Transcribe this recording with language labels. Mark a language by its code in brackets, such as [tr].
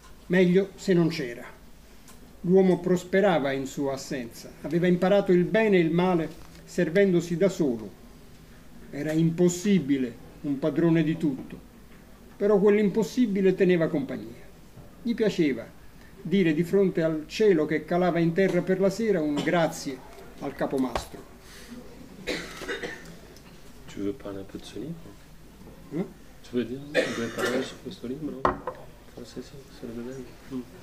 [it] Meglio se non c'era. L'uomo prosperava in sua assenza, aveva imparato il bene e il male servendosi da solo. Era impossibile un padrone di tutto, però quell'impossibile teneva compagnia. Gli piaceva dire di fronte al cielo che calava in terra per la sera un grazie al capomastro. [fr] Tu veux parler un peu de ce [it] libro? [fr] Tu veux dire, tu veux parler sur [it] questo libro? Francesco, sarebbe bello.